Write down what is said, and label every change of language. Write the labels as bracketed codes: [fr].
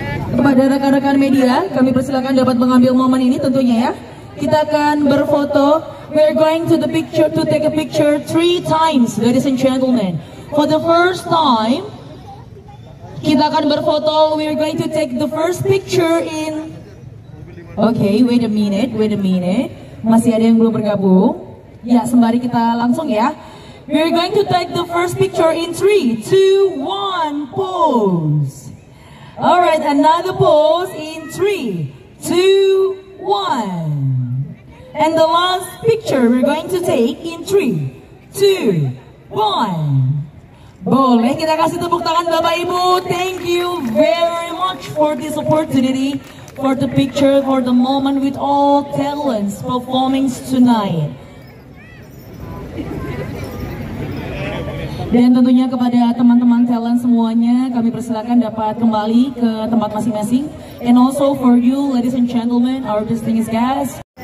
[id] Kepada rekan-rekan media, kami persilakan dapat mengambil momen ini tentunya ya. Kita akan berfoto. [en] We're going to the picture to take a picture three times, ladies and gentlemen. For the first time, [id] kita akan berfoto. [en] We're going to take the first picture in... Okay, wait a minute. [id] Masih ada yang belum bergabung. Ya, sembari kita langsung ya. [en] We're going to take the first picture in 3, 2, 1, pose. Alright, another pose in 3, 2, 1. And the last picture we're going to take in 3, 2, 1. [id] Boleh kita kasih tepuk tangan Bapak Ibu. [en] Thank you very much for this opportunity, for the picture, for the moment with all talents performing tonight. [id] Dan tentunya kepada teman-teman talent semuanya, kami persilakan dapat kembali ke tempat masing-masing. [en] And also for you, ladies and gentlemen, our distinguished guests.